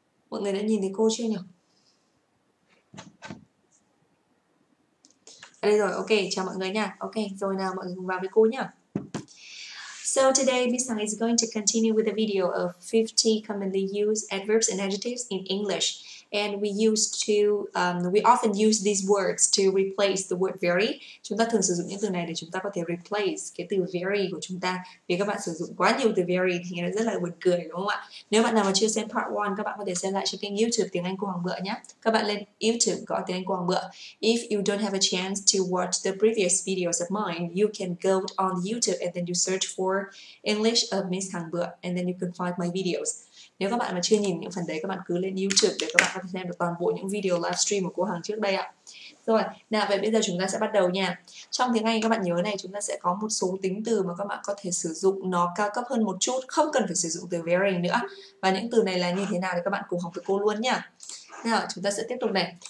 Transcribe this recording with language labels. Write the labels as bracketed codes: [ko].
[vi] Mọi người đã nhìn thấy cô chưa nhỉ? Đây rồi, ok, chào mọi người nha. Ok, rồi nào mọi người cùng vào với cô nhá. [en] So today, Miss Hằng is going to continue with a video of 50 commonly used adverbs and adjectives in English. And we often use these words to replace the word very. [vi] Chúng ta thường sử dụng những từ này để chúng ta có thể replace cái từ very của chúng ta. Vì các bạn sử dụng quá nhiều từ very thì nó rất là buồn cười đúng không ạ? Nếu bạn nào mà chưa xem part 1, các bạn có thể xem lại trên kênh YouTube Tiếng Anh của Hoàng Bựa nhé. Các bạn lên YouTube gõ Tiếng Anh của Hoàng Bựa. [en] If you don't have a chance to watch the previous videos of mine, you can go on YouTube and then you search for English of Miss Hằng Bựa and then you can find my videos. [vi] Nếu các bạn mà chưa nhìn những phần đấy, các bạn cứ lên YouTube để các bạn có thể xem được toàn bộ những video livestream của cô Hằng trước đây ạ. Rồi, nào vậy bây giờ chúng ta sẽ bắt đầu nha. Trong tiếng Anh các bạn nhớ này, chúng ta sẽ có một số tính từ mà các bạn có thể sử dụng nó cao cấp hơn một chút, không cần phải sử dụng từ very nữa. Và những từ này là như thế nào thì các bạn cùng học với cô luôn nha. Nào, chúng ta sẽ tiếp tục này.